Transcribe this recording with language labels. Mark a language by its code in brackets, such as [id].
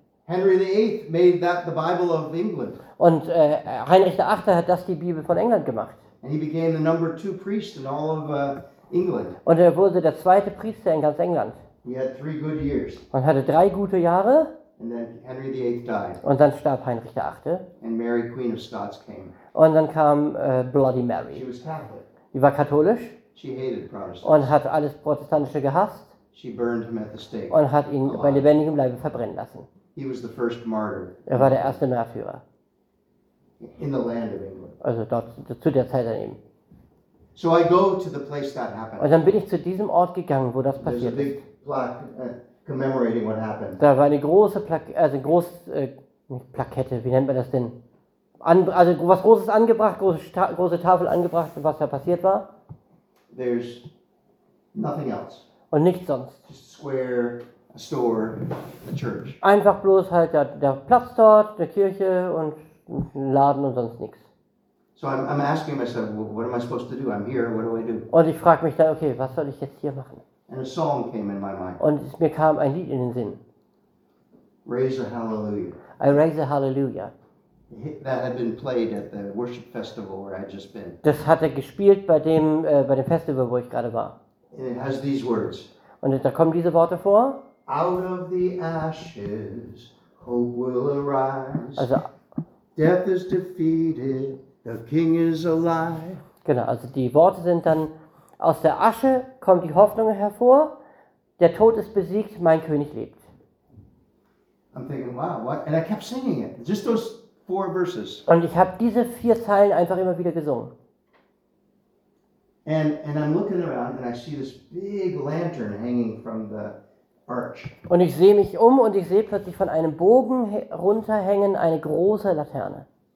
[en] Henry VIII made that the Bible of England. [de] Und Heinrich VIII hat das die Bibel von England gemacht. [en] And he became the number two priest in all of England. [de] Und er wurde der zweite Priester in ganz England. [en] He had 3 good years. [de] Und hatte 3 gute Jahre. [en] And then Henry VIII died. [de] Und dann starb Heinrich VIII. [en] And Mary, Queen of Scots, came. [de] Und dann kam Bloody Mary. [en] She was Catholic. [de] Sie war katholisch. [en] She hated Protestants. [de] Und hat alles Protestantische gehasst. [en] She burned him at the stake. [de] Und hat ihn bei lebendigem Leibe verbrennen lassen. [en] He was the first martyr. [de] Er war der erste Märtyrer. [en] In the land of England. [de] Also dort zu der Zeit an ihm. [en] So I go to the place that happened. [de] Und dann bin ich zu diesem Ort gegangen, wo das passiert ist. [en] Commemorating what happened. [de] Da war eine große Plakette, wie nennt man das denn? Also was Großes angebracht, große Tafel angebracht, was da passiert war. [en] There's nothing else. [de] Und nichts sonst. [en] Just square, a store, a church. [de] Einfach bloß halt der Platz dort, der Kirche und ein Laden und sonst nichts. [en] So I'm asking myself, well, what am I supposed to do? I'm here, what do I do? [de] Und ich frage mich dann, okay, was soll ich jetzt hier machen? [en] And a song came in my mind. [de] Und mir kam ein Lied in den Sinn. [en] Raise a hallelujah. I raise a hallelujah. That had been played at the worship festival where I'd just been. [de] Das hatte gespielt bei dem Festival, wo ich gerade war. [en] And it has these words. [de] Und da kommen diese Worte vor. [en] Out of the ashes, hope will arise. [de] Also, [en] death is defeated, the king is alive. [de] Genau, also die Worte sind dann, aus der Asche kommt die Hoffnung hervor, der Tod ist besiegt, mein König lebt. [en] I'm thinking, wow, what? And I kept singing it, just those four verses. [de] Und ich habe diese vier Zeilen einfach immer wieder gesungen. [en] And I'm looking around and I see this big lantern hanging from the arch. [de] Und ich sehe mich um und ich sehe plötzlich von einem Bogen runterhängen eine große Laterne.